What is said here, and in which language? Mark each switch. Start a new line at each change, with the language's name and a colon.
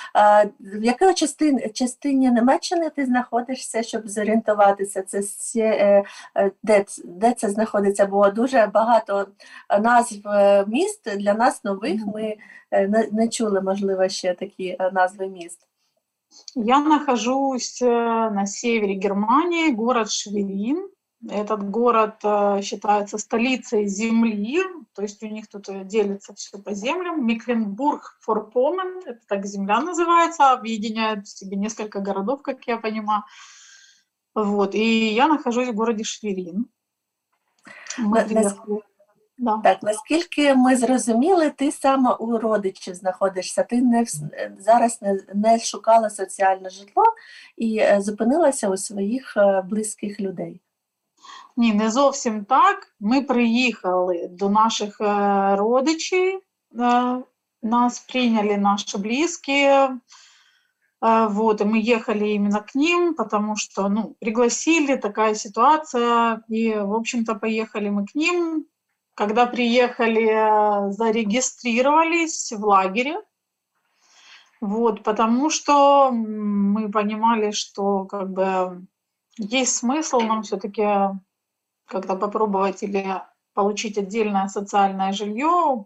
Ukrainian: А в якій частині Німеччини ти знаходишся, щоб зорієнтуватися? Це все, де це знаходиться? Бо дуже багато назв міст для нас нових. Ми не чули, можливо, ще такі назви міст.
Russian: Я нахожусь на севере Германии, город Шверин. Этот город считается столицей земли, то есть у них тут делится все по землям. Мекленбург-Форпоммерн, это так земля называется, объединяет в себе несколько городов, как я понимаю. Вот, и я нахожусь в городе Шверин. Да.
Ukrainian: Так, наскільки ми зрозуміли, ти саме у родичів знаходишся. Ти зараз не шукала соціальне житло і зупинилася у своїх близьких людей. Ні, не зовсім так. Ми приїхали до наших родичів, нас прийняли наші близькі.
Russian: Вот, и мы ехали именно к ним, потому что, ну, пригласили, такая ситуация, и, в общем-то, поехали мы к ним. Когда приехали, зарегистрировались в лагере, вот, потому что мы понимали, что как бы есть смысл нам все-таки как-то попробовать или получить отдельное социальное жилье.